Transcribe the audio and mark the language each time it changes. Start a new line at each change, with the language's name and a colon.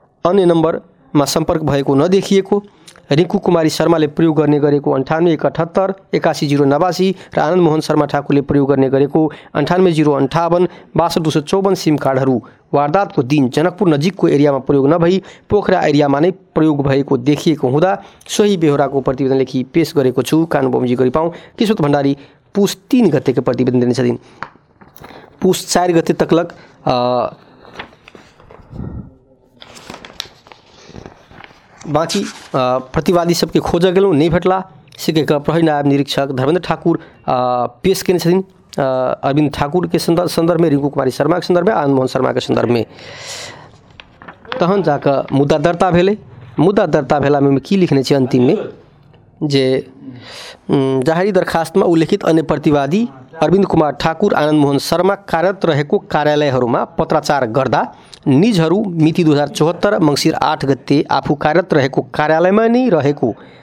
Nepali: अन्य नम्बरमा सम्पर्क भएको नदेखिएको रिंकू कुमारी शर्माले प्रयोग गर्ने गरेको 9781781089 र आनन्द मोहन शर्मा ठाकुरले प्रयोग गर्ने गरेको 9805862254 सिम कार्डहरू वारदातको दिन जनकपुर नजिकको एरियामा प्रयोग नभई पोखरा एरियामा नै प्रयोग भएको देखिएको हुँदा सोही बेहोराको प्रतिवेदन लेखी पेश गरेको छु।
Maithili: कानु बमजी गरिपाउँ किशोर भण्डारी पुस 3 गतेको प्रतिवेदन दिने छथिन। पुस 4 गते तकलक बाँकी प्रतिवादी सबके खोजऽ गेलहुँ, नहि भेटला, सिके कऽ प्रहरी नायब निरीक्षक धर्मेन्द्र ठाकुर पेश कयने छथिन अरविन्द ठाकुरके सन्दर्भमे, रिंकू कुमारी शर्माके सन्दर्भमे, आनन्द मोहन शर्माके सन्दर्भमे। तहन जाकऽ मुद्दा दर्ता भेलै, मुद्दा दर्ता भेलामे ओहिमे की लिखने छै अन्तिममे
Nepali: जे जाहिरी दरखास्तमे उल्लेखित अन्य प्रतिवादी अरविन्द कुमार ठाकुर आनन्द मोहन शर्मा कार्यरत रहेको कार्यालयहरूमा पत्राचार गर्दा निजहरू मिति 2074 मङ्सिर 8 गते आफू कार्यरत रहेको कार्यालयमा नै रहेको